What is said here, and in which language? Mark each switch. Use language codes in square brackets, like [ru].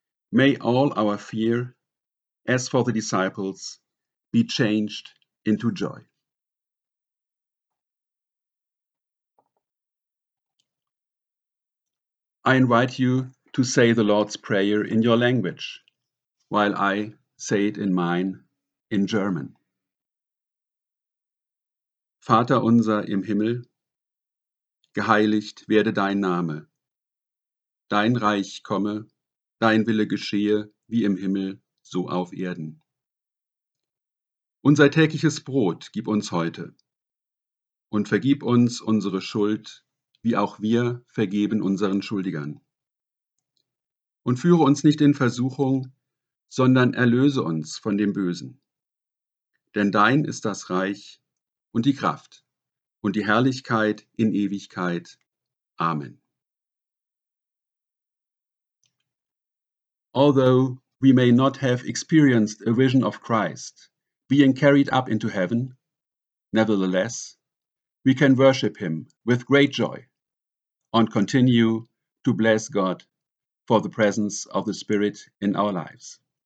[en] May all our fear, as for the disciples, be changed into joy. I invite you to say the Lord's Prayer in your language, while I say it in mine, in German. [de] Vater unser im Himmel, geheiligt werde dein Name, dein Reich komme, dein Wille geschehe, wie im Himmel, so auf Erden. Unser tägliches Brot gib uns heute und vergib uns unsere Schuld, wie auch wir vergeben unseren Schuldigern. Und führe uns nicht in Versuchung, sondern erlöse uns von dem Bösen. Denn dein ist das Reich und die Kraft und die Herrlichkeit in Ewigkeit. Amen. [en] Although we may not have experienced a vision of Christ being carried up into heaven, nevertheless, we can worship him with great joy and continue to bless God for the presence of the Spirit in our lives.